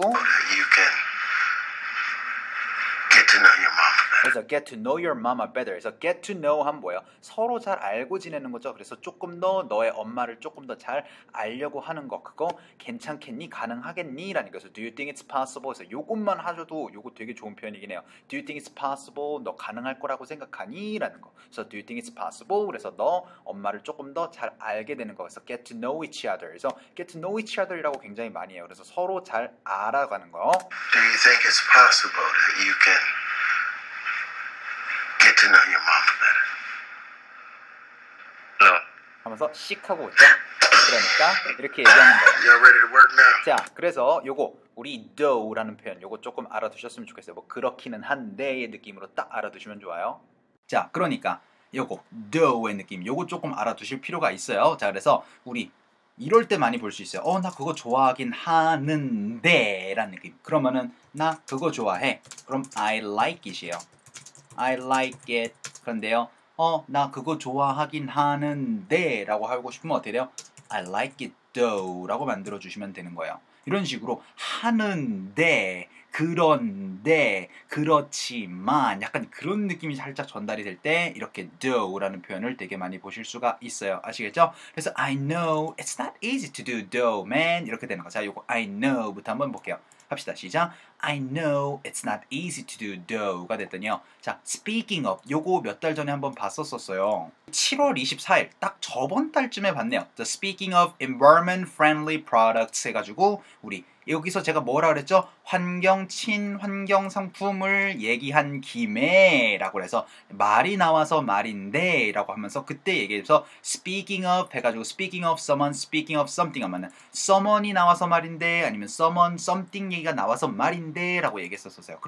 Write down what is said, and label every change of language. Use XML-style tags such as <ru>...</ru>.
<en>That you can get to know your mom.</en> <ko>그래서</ko> <en>get to know your mama better. 그래서 get to know</en> <ko>하면 뭐예요? 서로 잘 알고 지내는 거죠. 그래서 조금 더 너의 엄마를 조금 더 잘 알려고 하는 거. 그거 괜찮겠니? 가능하겠니? 라는 거죠.</ko> <en>Do you think it's possible?</en> <ko>그래서 이것만 하셔도 이거 되게 좋은 표현이긴 해요.</ko> <en>Do you think it's possible?</en> <ko>너 가능할 거라고 생각하니? 라는 거. 그래서</ko> <en>do you think it's possible?</en> <ko>그래서 너 엄마를 조금 더 잘 알게 되는 거. 그래서</ko> <en>get to know each other. 그래서 get to know each other</en> <ko>이라고 굉장히 많이 해요. 그래서 서로 잘 알아가는 거.</ko> <en>Do you think it's possible that you can get to know your mom better. No.</en> <ko>하면서 씩 하고 있죠. 그러니까 이렇게 얘기하는 거예요.</ko> <en>You're ready to work now.</en> <ko>자, 그래서 요거 우리 though라는 표현 요거 조금 알아두셨으면 좋겠어요. 뭐 그렇기는 한데의 느낌으로 딱 알아두시면 좋아요. 자, 그러니까 요거 though의 느낌 요거 조금 알아두실 필요가 있어요. 자, 그래서 우리 이럴 때 많이 볼 수 있어요. 어, 나 그거 좋아하긴 하는데 라는 느낌. 그러면은 나 그거 좋아해. 그럼</ko> <en>I like it이에요. I like it.</en> <ko>그런데요. 어, 나 그거 좋아하긴 하는데 라고 하고 싶으면 어떻게 돼요?</ko> <en>I like it though</en> <ko>라고 만들어주시면 되는 거예요. 이런 식으로 하는데, 그런데, 그렇지만 약간 그런 느낌이 살짝 전달이 될 때 이렇게 though 라는 표현을 되게 많이 보실 수가 있어요. 아시겠죠?</ko> <en>그래서 I know it's not easy to do though, man.</en> <ko>이렇게 되는 거죠. 자, 이거 I know부터 한번 볼게요. 합시다. 시작.</ko> <en>I know it's not easy to do though가</en> <ko>됐더니요. 자, speaking of 요거 몇 달 전에 한번 봤었었어요. 7월 24일 딱 저번 달쯤에 봤네요.</ko> <en>The speaking of environment friendly products</en> <ko>해가지고 우리 여기서 제가 뭐라 그랬죠? 환경 친환경 상품을 얘기한 김에 라고 해서 말이 나와서 말인데 라고 하면서 그때 얘기해서 speaking of 해가지고 speaking of someone, speaking of something 하면은 someone이 나와서 말인데 아니면 someone something 얘기가 나와서 말인데 라고 얘기했었어요.</ko>